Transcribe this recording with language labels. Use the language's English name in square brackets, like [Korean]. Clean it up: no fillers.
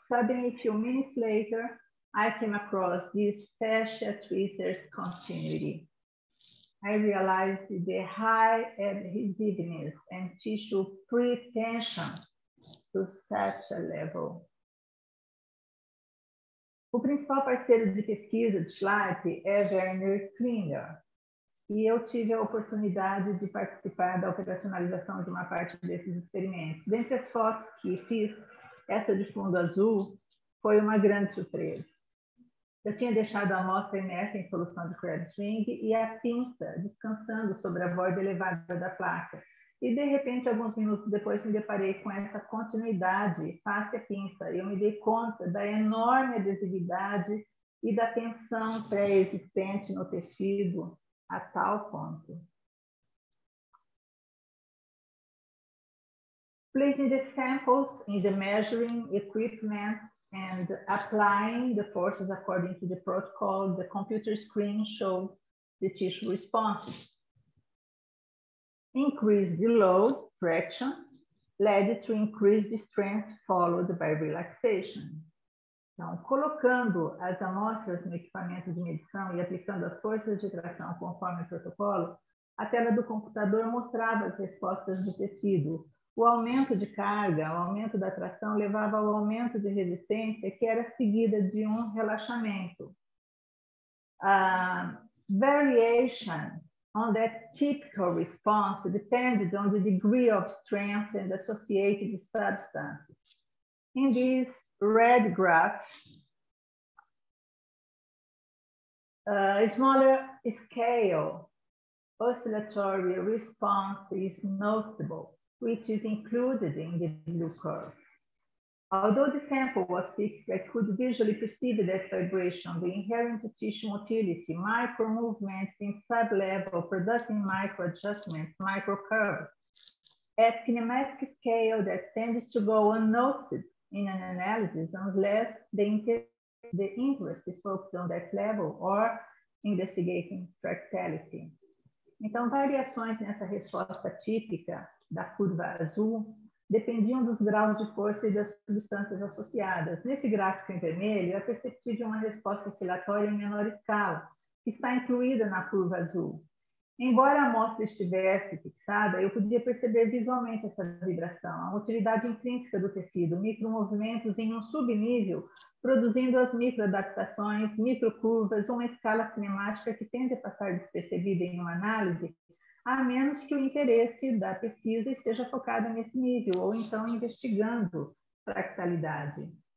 [English] Suddenly, a few minutes later, I came across this fascia tweezers continuity. I realized the high adhesiveness and tissue pretension to such a level. [Portuguese] O principal parceiro de pesquisa de Schleip é Werner Klinger, e eu tive a oportunidade de participar da operacionalização de uma parte desses experimentos. Dentre as fotos que fiz, essa de fundo azul foi uma grande surpresa. Eu tinha deixado a amostra imersa em solução de Krebs ring e a pinça descansando sobre a borda elevada da placa. E, de repente, alguns minutos depois, me deparei com essa continuidade face a pinça. Eu me dei conta da enorme adesividade e da tensão pré-existente no tecido a tal ponto. [English] Placing the samples in the measuring equipment and applying the forces according to the protocol, the computer screen showed the tissue responses. Increased the load, traction, led to increased strength followed by relaxation. [Portuguese] Então, colocando as amostras no equipamento de medição e aplicando as forças de tração conforme o protocolo, a tela do computador mostrava as respostas do tecido. O aumento de carga, o aumento da tração, levava ao aumento de resistência, que era seguida de um relaxamento. [English] Variation on that typical response depended on the degree of strength and associated substance. In this red graph, a smaller scale oscillatory response is notable, which is included in the blue curve. Although the sample was fixed, I could visually perceive that vibration, the inherent tissue motility, micro movements in sublevel, producing micro adjustments, micro curves, at kinematic scale that tends to go unnoted in an analysis unless the interest is focused on that level or investigating fractality. [Portuguese] Então, variações nessa resposta típica da curva azul dependiam dos graus de força e das substâncias associadas. Nesse gráfico em vermelho, é perceptível uma resposta oscilatória em menor escala, que está incluída na curva azul. Embora a amostra estivesse fixada, eu podia perceber visualmente essa vibração, a motilidade intrínseca do tecido, micromovimentos em um subnível, produzindo as microadaptações, microcurvas, uma escala cinemática que tende a passar despercebida em uma análise, a menos que o interesse da pesquisa esteja focado nesse nível, ou então investigando fractalidade.